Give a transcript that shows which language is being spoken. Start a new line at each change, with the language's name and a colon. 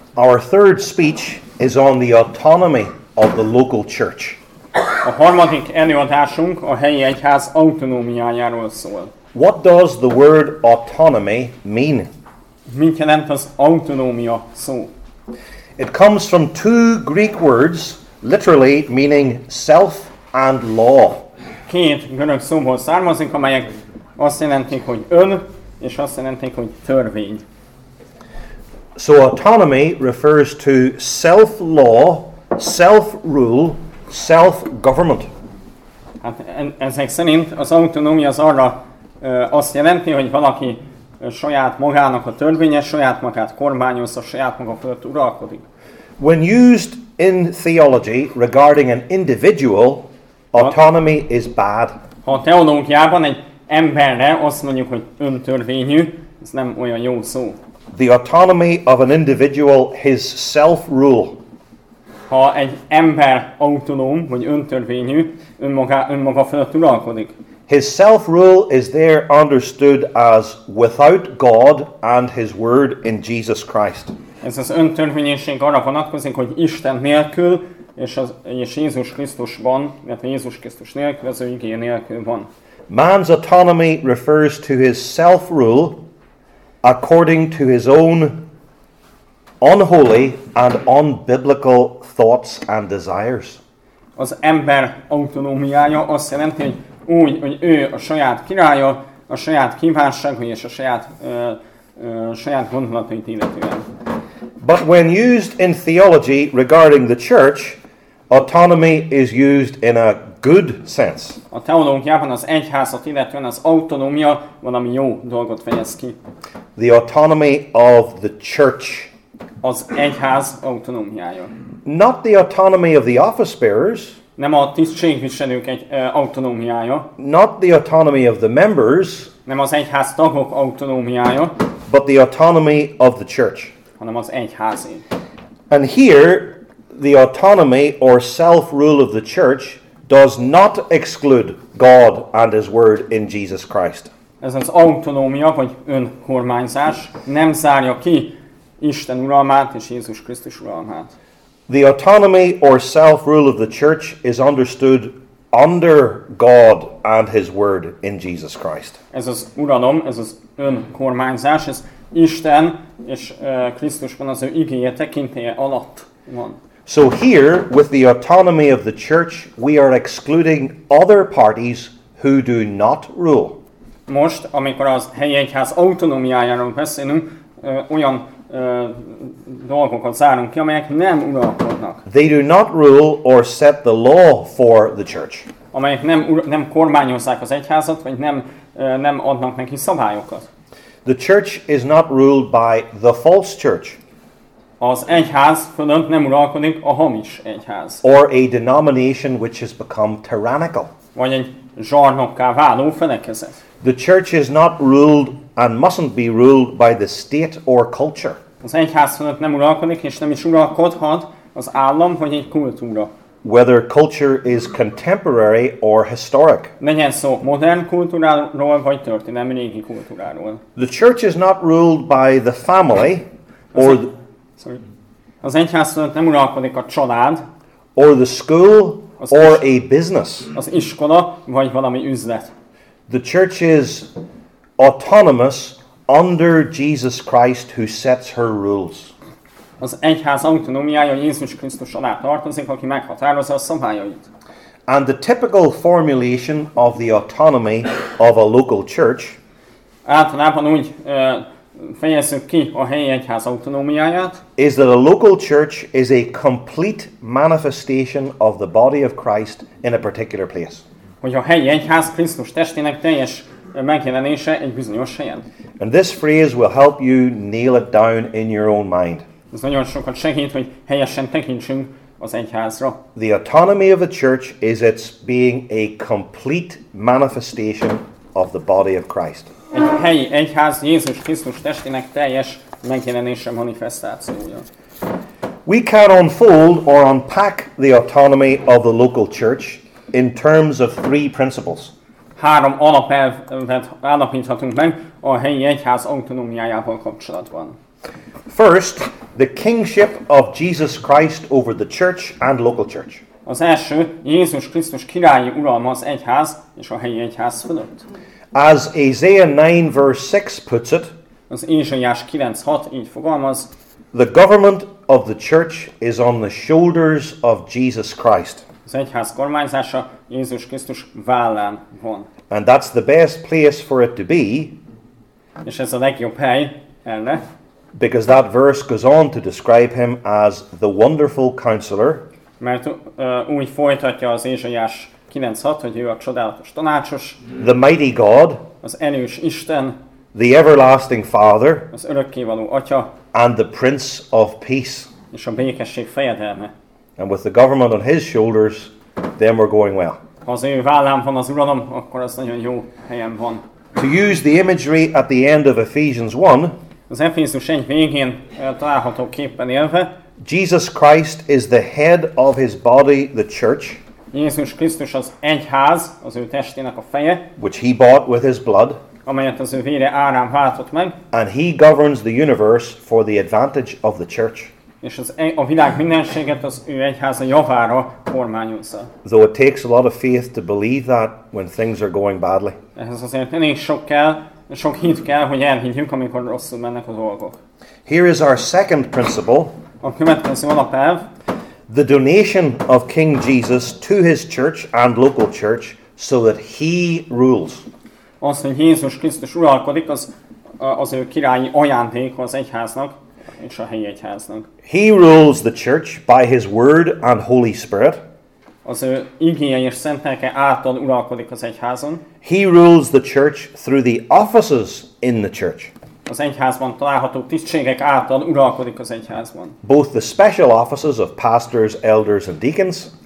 English: Our third speech is on the autonomy of the local church.
Hungarian: A harmadik előadásunk a helyi egyház autonómiájáról szól.
English: What does the word autonomy mean?
Hungarian: Mit jelent az autonómia szó?
English: It comes from two Greek words, literally meaning self and law.
Hungarian: Két görög szóból származik, amelyek azt jelentik, hogy ön, és azt jelentik, hogy törvény.
English: So autonomy refers to self-law, self-rule, self-government.
Hungarian: Hát ezek szerint az autonómia az arra azt jelenti, hogy valaki saját magának a törvénye, saját magát kormányozza, saját maga fölött uralkodik.
English: When used in theology regarding an individual, autonomy is bad.
Hungarian: Ha a teológiában egy emberre azt mondjuk, hogy öntörvényű, ez nem olyan jó szó.
English: The autonomy of an individual, his self-rule.
Hungarian: Ha egy ember autonóm, vagy öntörvényű, önmaga fölött uralkodik.
English: His self-rule is there understood as without God and his word in Jesus Christ.
Hungarian: Ez az öntörvényűség arra vonatkozik, hogy Isten nélkül, és Jézus Krisztusban, mert Jézus Krisztus nélkül, az ő igéje nélkül van.
English: Man's autonomy refers to his self-rule according to his own unholy and unbiblical thoughts and desires.
Hungarian: Az ember autonómiája azt jelenti, hogy úgy, hogy ő a saját királya, a saját kívánságai és a saját saját gondolatait illetően.
English: But when used in theology regarding the church, autonomy is used in a good sense.
Hungarian: A teológiában az egyházat illetően az autonómia valami jó dolgot fejez ki.
English: The autonomy of the church.
Hungarian: Az egyház autonómiája.
English: Not the autonomy of the office bearers.
Hungarian: Nem a tisztségviselők autonómiája.
English: Not the autonomy of the members.
Hungarian: Nem az egyház tagok autonómiája.
English: But the autonomy of the church.
Hungarian: Hanem az egyházé.
English: And here, the autonomy or self-rule of the church does not exclude God and his word in Jesus Christ.
Hungarian: Ez az autonómia, vagy önkormányzás, nem zárja ki Isten uralmát és Jézus Krisztus uralmát.
English: The autonomy or self-rule of the church is understood under God and his word in Jesus Christ.
Hungarian: Ez az uralom, ez az önkormányzás, ez Isten és Krisztusban az ő igéje tekintélye alatt van.
English: So here, with the autonomy of the church, we are excluding other parties who do not rule.
Hungarian: Most, amikor az helyi egyház autonómiájáról beszélünk, olyan dolgokat zárunk ki, amelyek nem uralkodnak.
English: They do not rule or set the law for the church.
Hungarian: Amelyek nem kormányozzák az egyházat, vagy nem adnak neki szabályokat.
English: The church is not ruled by the false church.
Hungarian: Az egyház fölött nem uralkodik a hamis egyház.
English: Or a denomination which has become tyrannical.
Hungarian: Vagy egy zsarnokká váló felekezet.
English: The church is not ruled and mustn't be ruled by the state or culture.
Hungarian: Az egyház fölött nem uralkodik és nem is uralkodhat az állam vagy egy kultúra.
English: Whether culture is contemporary or historic.
Hungarian: Legyen szó modern kultúráról vagy történelmi régi kultúráról.
English: The church is not ruled by the family or the...
Hungarian: Az egyház fölött nem uralkodik a család,
English: or the school, or a business.
Hungarian: Az iskola, vagy valami üzlet.
English: The church is autonomous under Jesus Christ who sets her rules.
Hungarian: Az egyház autonómiája Jézus Krisztus alá tartozik, aki meghatározza a szabályait.
English: And the typical formulation of the autonomy of a local church.
Hungarian: Általában úgy fejezzük ki a helyi egyház autonómiáját.
English: Is that a local church is a complete manifestation of the body of Christ in a particular place.
Hungarian: Hogy a helyi egyház Krisztus testének teljes megjelenése egy bizonyos helyen.
English: And this phrase will help you nail it down in your own mind.
Hungarian: Ez nagyon sokat segít, hogy helyesen tekintsünk az egyházra.
English: The autonomy of a church is its being a complete manifestation of the body of Christ.
Hungarian: Egy helyi egyház Jézus Krisztus testének teljes megjelenése, manifestációja.
English: We can unfold or unpack the autonomy of the local church in terms of three principles.
Hungarian: Három alapelvet állapíthatunk meg a helyi egyház autonómiájával kapcsolatban.
English: First, the kingship of Jesus Christ over the church and local church.
Hungarian: Az első, Jézus Krisztus királyi uralma az egyház és a helyi egyház fölött.
English: As Isaiah 9 verse 6 puts it,
Hungarian: az Ézsaiás 9:6 így fogalmaz,
English: the government of the church is on the shoulders of Jesus Christ.
Hungarian: Az egyház kormányzása Jézus Krisztus vállán van.
English: And that's the best place for it to be.
Hungarian: És ez a legjobb hely erre.
English: Because that verse goes on to describe him as the wonderful counselor.
Hungarian: Mert úgy folytatja az Ézsaiás 9:6, hogy ő a csodálatos tanácsos.
English: The mighty God.
Hungarian: Az erős Isten.
English: The everlasting Father.
Hungarian: Az örökkévaló Atya.
English: And the Prince of Peace.
Hungarian: És a békesség fejedelme.
English: And with the government on his shoulders, then we're going well.
Hungarian: Ha az ő vállán van az uralom, akkor az nagyon jó helyen van.
English: To use the imagery at the end of Ephesians 1,
Hungarian: az Efézus 1 végén található képpen élve,
English: Jesus Christ is the head of his body, the church,
Hungarian: Jézus Krisztus az egyház, az ő testének a feje,
English: which he bought with his blood,
Hungarian: amelyet az ő vére árán váltott meg,
English: and he governs the universe for the advantage of the church.
Hungarian: És az a világ mindenséget az ő egyháza javára kormányozza.
English: Though it takes a lot of faith to believe that when things are going badly.
Hungarian: Ehhez azért elég sok kell, sok hit kell, hogy elhiggyünk, amikor rosszul mennek a dolgok.
English: Here is our second principle.
Hungarian: A következő alapelv.
English: The donation of King Jesus to his church and local church so that he rules.
Hungarian: Az, hogy Jézus Krisztus uralkodik, az ő királyi ajándék az egyháznak és a helyi egyháznak.
English: He rules the church by his word and Holy Spirit.
Hungarian: Az ő igéje és szent lelke által uralkodik az egyházon.
English: He rules the church through the offices in the church.
Hungarian: Az egyházban található tisztségek által uralkodik az egyházban.
English: Both the special offices of pastors, elders and deacons.